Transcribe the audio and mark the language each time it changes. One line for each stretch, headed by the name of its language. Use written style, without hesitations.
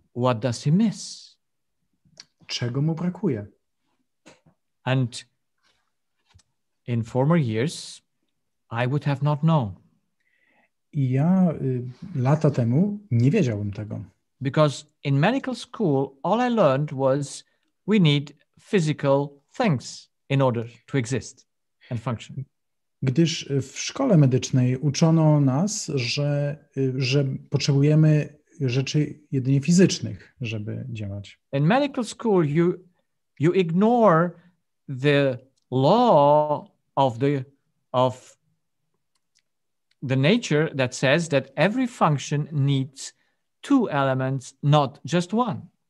English: What does he miss?
Polish: Czego mu brakuje?
English: And in former years, I would have not known.
Polish: I ja lata temu nie wiedziałbym tego.
English: Because in medical school, all I learned was we need physical things in order to exist and function.
Polish: Gdyż w szkole medycznej uczono nas, że potrzebujemy rzeczy jedynie fizycznych, żeby działać.
English: In medical school, you ignore the law of the nature that says that every function needs two elements, not just one.